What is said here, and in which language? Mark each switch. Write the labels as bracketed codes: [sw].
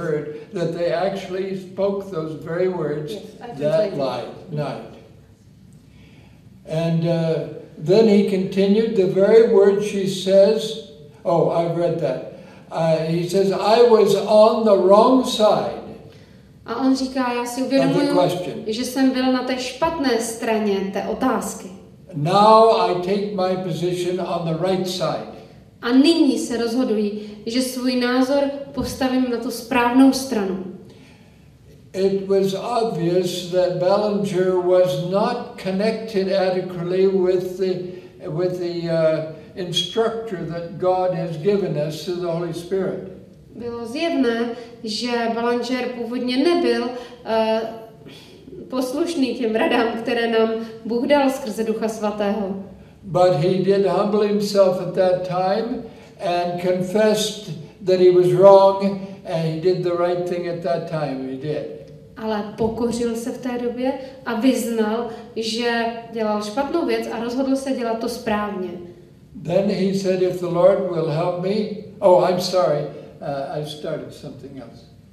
[en] heard that they actually spoke those very words yes, that night. And then he continued the very word she says. Oh, I read that. He says, I was on the wrong side. [cs] A on říká, já si uvědomuji, že jsem byl na té špatné straně té otázky. [en] Now I take my position on the right side. [cs] A nyní se rozhoduji, že svůj názor postavím na tu správnou stranu. [en] It was obvious that Ballinger was not connected adequately with the instructor that God has given us through the Holy Spirit. [cs] Bylo zjevné, že Ballinger původně nebyl poslušný těm radám, které nám Bůh dal skrze Ducha Svatého. [en] But he did humble himself at that time and confessed that he was wrong and he did the right thing at that time. He did. [cs] Ale pokořil se v té době a vyznal, že dělal špatnou věc a rozhodl se dělat to správně. [en] Then he said, if the Lord will help me. Oh, I'm sorry. I started something else.